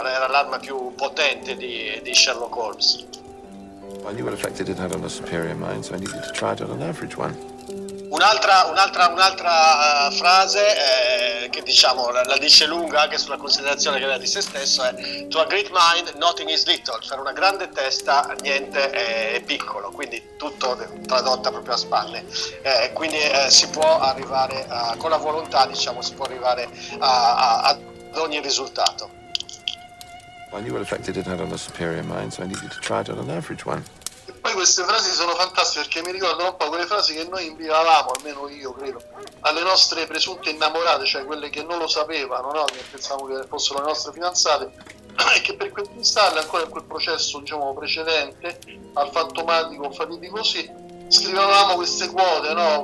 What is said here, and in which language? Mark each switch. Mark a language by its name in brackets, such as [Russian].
[Italian] Era l'arma più potente di Sherlock Holmes. [English] I knew what effect it had on a superior mind, so I needed to try it on an average one. [Italian] Un'altra frase, che diciamo la dice lunga anche sulla considerazione che aveva di se stesso, è: [English] to a great mind nothing is little, [Italian] cioè una grande testa niente è piccolo, quindi tutto tradotta proprio a spalle, quindi si può arrivare con la volontà, diciamo, si può arrivare ad ogni risultato. [English] I knew what effect it had on a superior mind, so I needed to try it on an average one. [Italian] Poi queste frasi sono fantastiche, perché mi ricordano un po' quelle frasi che noi invivavamo, almeno io credo, alle nostre presunte innamorate, cioè quelle che non lo sapevano, no? Che pensavamo che fossero le nostre fidanzate, e che per conquistarle, ancora in quel processo, diciamo, precedente al fantomatico, fatidico, così scrivevamo queste quote, no?